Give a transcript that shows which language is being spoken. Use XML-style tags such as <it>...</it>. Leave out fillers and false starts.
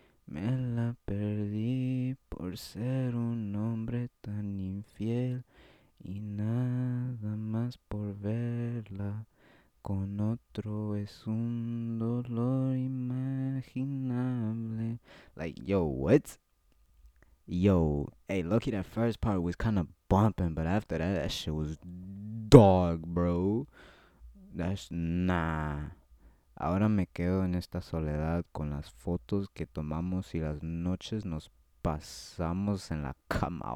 <es>Me la perdí por ser un hombre tan infiel y nada más por verla con otro es un dolor imaginable.</es> <en>Like, yo, what? Yo, hey, lucky that first part was kind of bumping, but after that, that shit was dog, bro. That's nah.</en> <es>Ahora me quedo en esta soledad con las fotos que tomamos y las noches nos pasamos en la cama.</es>